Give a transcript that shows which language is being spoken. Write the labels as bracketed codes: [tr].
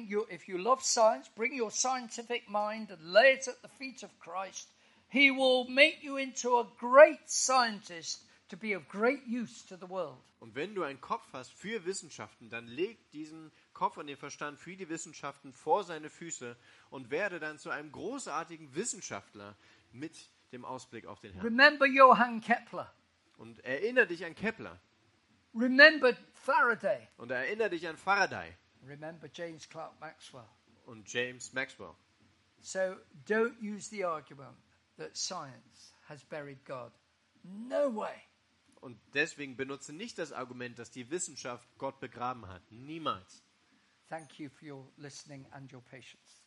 [en] If you love science, bring your scientific mind and lay it at the feet of Christ, he will make you into a great scientist to be of great use to the world. [de] Und wenn du einen Kopf hast für Wissenschaften, dann leg diesen Kopf und den Verstand für die Wissenschaften vor seine Füße und werde dann zu einem großartigen Wissenschaftler mit dem Ausblick auf den Herrn. [en] Remember Johann Kepler. [de] Und erinnere dich an Kepler. [en] Remember Faraday. [de] Und erinnere dich an Faraday. [en] Remember James Clerk Maxwell. [de] Und James Maxwell. [en] So don't use the argument that science has buried God. No way. [de] Und deswegen benutze nicht das Argument, dass die Wissenschaft Gott begraben hat. Niemals. [en] Thank you for your listening and your patience.